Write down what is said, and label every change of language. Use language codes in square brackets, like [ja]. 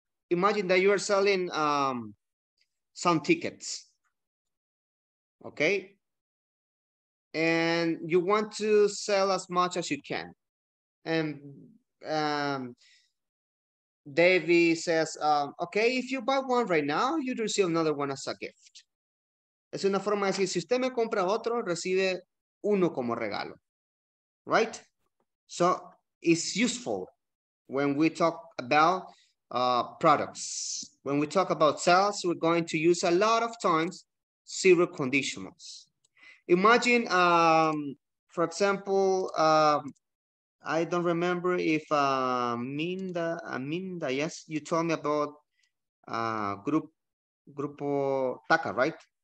[en] Imagine that you are selling some tickets, okay? And you want to sell as much as you can. And Davey says, okay, if you buy one right now, you receive another one as a gift. [es] Es una forma de decir, si usted me compra otro, recibe uno como regalo, [en] right? So it's useful when we talk about products. When we talk about sales, we're going to use a lot of times zero conditionals. Imagine, for example, I don't remember if Aminda, yes, you told me about Grupo Taka, right?